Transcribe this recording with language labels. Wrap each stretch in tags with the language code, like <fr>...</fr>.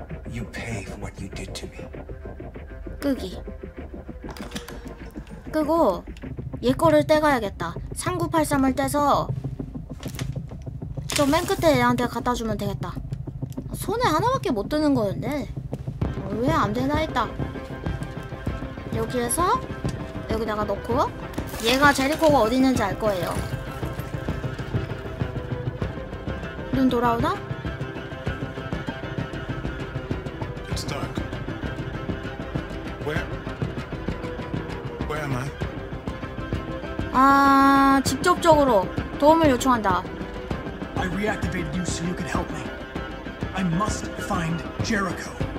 <en>You pay for what you did to me.</en> <ko>끄기. 끄고 얘 거를 떼가야겠다. 3983을 떼서 저 맨 끝에 얘한테 갖다 주면 되겠다. 손에 하나밖에 못 드는 거였네. 왜 안 되나 했다. 여기에서 여기다가 넣고 얘가 제리코가 어디 있는지 알 거예요. 눈 돌아오나?</ko> <en>It's dark. Where am I?</en> <ko>아, 직접적으로 도움을 요청한다.</ko> <en>I reactivated you so you could help me. I must find Jericho.</en>